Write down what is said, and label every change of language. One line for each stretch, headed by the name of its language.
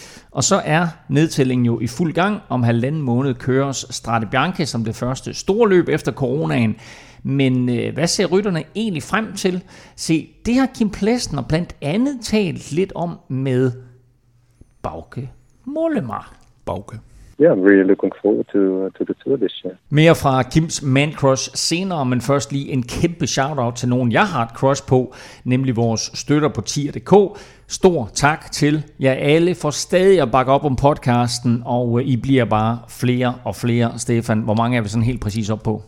Danish: Og så er nedtællingen jo i fuld gang. Om halvanden måned køres Strade Bianche som det første store løb efter coronaen. Men hvad ser rytterne egentlig frem til? Se, det har Kim Plesner blandt andet talt lidt om med Bauke Mollema. Bauke.
English: Yeah, I'm really looking forward to the tour this year.
Danish: Mere fra Kims Man Crush senere, men først lige en kæmpe shout-out til nogen, jeg har et crush på, nemlig vores støtter på tier.dk. Stor tak til jer alle for stadig at bakke op om podcasten, og I bliver bare flere og flere. Stefan, hvor mange er vi sådan helt præcis op på?